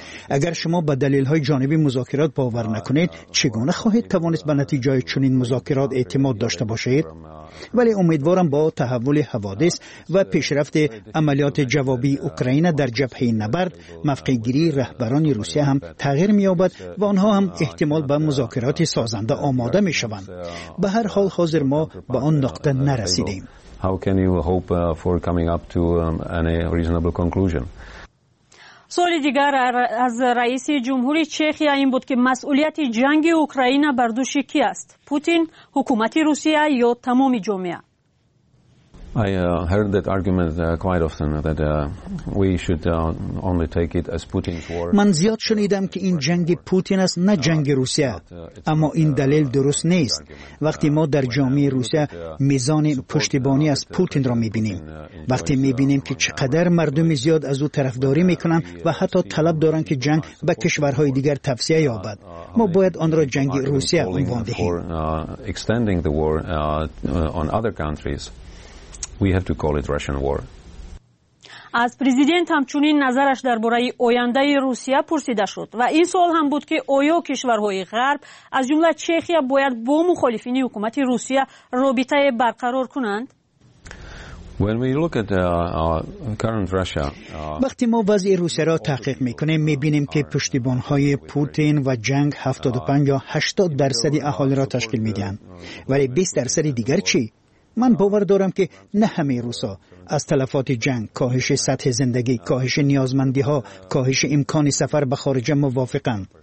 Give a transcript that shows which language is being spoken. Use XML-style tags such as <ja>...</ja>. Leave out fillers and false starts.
<fa>اگر شما به دلیل های جانبی مذاکرات باور نکنید، چگونه خواهید توانست به نتیجه چنین مذاکرات اعتماد داشته باشید؟ ولی امیدوارم با تحول حوادث و پیشرفت عملیات جوابی اوکراین در جبهه نبرد، موقعگیری رهبران روسیه هم تغییر می‌یابد و آنها هم احتمال به مذاکرات سازنده آماده می‌شوند. به هر حال حاضر ما به آن نقطه نرسیدیم.</fa> <en>How can you hope for coming up to any reasonable conclusion?</en> <fa>سوال دیگر از رئیس جمهوری چخیا این بود که مسئولیت جنگ اوکراین بر دوش کی است؟ پوتین، حکومت روسیه یا تمام جامعه؟</fa> <en>I heard that argument quite often that we should only take it as Putin's war.</en> <fa>من زیاد شنیدم که این جنگ پوتین است نه جنگ روسیه، اما این دلیل درست نیست. وقتی ما در جامعه روسیه میزان پشتیبانی از پوتین را میبینیم، وقتی میبینیم که چقدر مردم زیاد از او طرفداری میکنند و حتی طلب دارند که جنگ به کشورهای دیگر توسعه یابد، ما باید آن را جنگ روسیه عنوان دهیم.</fa> <en>Extending the war on other countries. We have to call it Russian war.</en> <fa>از پریزیدنت همچنین نظرش درباره آینده روسیه پرسیده شد و این سوال هم بود که آیا کشورهای غرب از جمله چخیا باید با مخالفین حکومت روسیه رابطه برقرار کنند؟</fa> <en>When we look at current Russia,</en> <fa>وقتی ما وضع روسیه را تحقیق میکنیم، میبینیم که پشتیبان‌های پوتین و جنگ 75 یا 80 درصد اهالی را تشکیل میدهند. ولی 20 درصد دیگر چی؟ من باور دارم که نه همه روسا از تلفات جنگ، کاهش سطح زندگی، کاهش نیازمندی ها، کاهش امکان سفر به خارج موافقند.</fa>